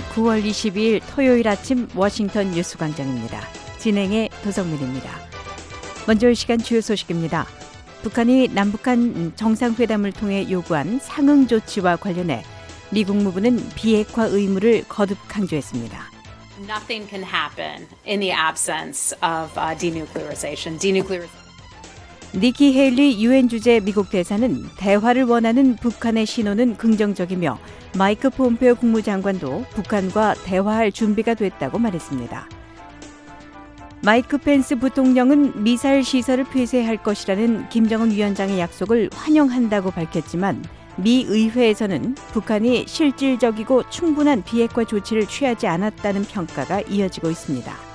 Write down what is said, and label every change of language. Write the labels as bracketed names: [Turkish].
[Korean] 9월 22일 토요일 아침 워싱턴 뉴스 광장입니다. 진행의 도성민입니다. 먼저 이 시간 주요 소식입니다. 북한이 남북한 정상회담을 통해 요구한 상응 조치와 관련해 미국 무부는 비핵화 의무를 거듭 강조했습니다. [English] Nothing can happen in the absence of denuclearization. [Korean] Nikki Haley 유엔 주재 미국 대사는 대화를 원하는 북한의 신호는 긍정적이며 마이크 폼페오 국무장관도 북한과 대화할 준비가 됐다고 말했습니다. 마이크 펜스 부통령은 미사일 시설을 폐쇄할 것이라는 김정은 위원장의 약속을 환영한다고 밝혔지만 미 의회에서는 북한이 실질적이고 충분한 비핵화 조치를 취하지 않았다는 평가가 이어지고 있습니다.